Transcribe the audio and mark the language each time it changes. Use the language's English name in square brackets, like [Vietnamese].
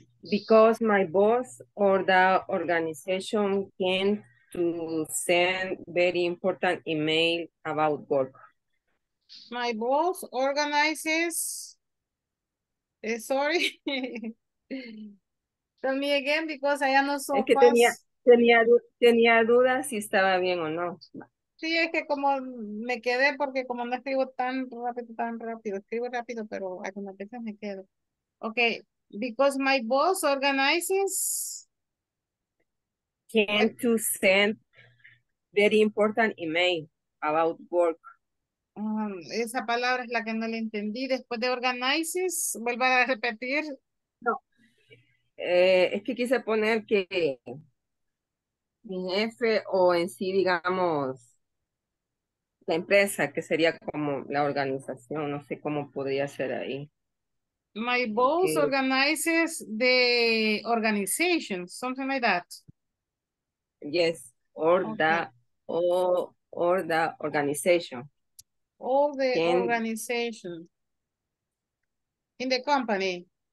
[English] Because my boss or the organization can to send very important email about work. My boss organizes. Sorry. Tell me again because I am not so fast. [Spanish] Que tenía dudas si estaba bien o no. Sí, es que como me quedé porque como no escribo tan rápido, escribo rápido, pero algunas veces me quedo. [English] Okay, because my boss organizes. Can to send very important email about work. [Spanish] Esa palabra es la que no le entendí. Después de organizes, vuelva a repetir. No, es que quise poner que mi jefe o en sí, digamos, la empresa, que sería como la organización, no sé cómo podría ser ahí. [English] My boss organizes the organization, something like that. Yes, or the organization. All the organization in the company.